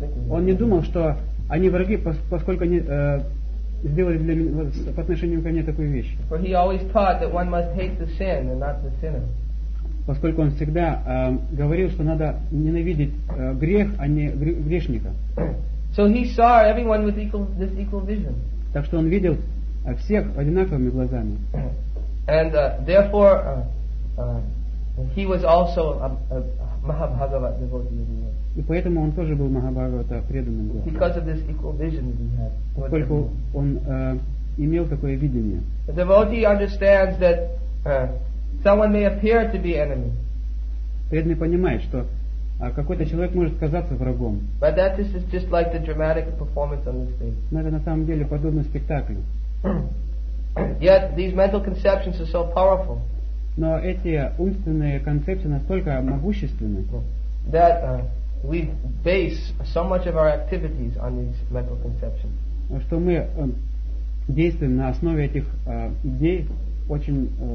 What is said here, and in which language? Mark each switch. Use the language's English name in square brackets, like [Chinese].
[Russian] Он не думал, что они враги, поскольку они сделали для меня по отношению ко мне такую вещь. [English] For he always taught that one must hate the sin and not the sinner. [Russian] Поскольку он всегда говорил, что надо ненавидеть грех, а не грешника. [English] So he saw everyone with this equal vision. [Russian] Так что он видел всех одинаковыми глазами. [English] And therefore he was also a Mahabhagavat devotee. [Russian] И поэтому он тоже был Махабхагавата преданным. [English] Because of this equal vision that he had. [Russian] Поскольку он имел такое видение. [English] The devotee understands that someone may appear to be enemy. [Russian] Преданный понимает, что какой-то человек может казаться врагом. [English] But that this is just like the dramatic performance on the stage. [Russian] Но это на самом деле подобно спектаклю. [English] Yet these mental conceptions are so powerful. [Russian] Но эти умственные концепции настолько могущественны. [English] That we base so much of our activities on these mental conceptions. [Russian] Что мы действуем на основе этих идей очень.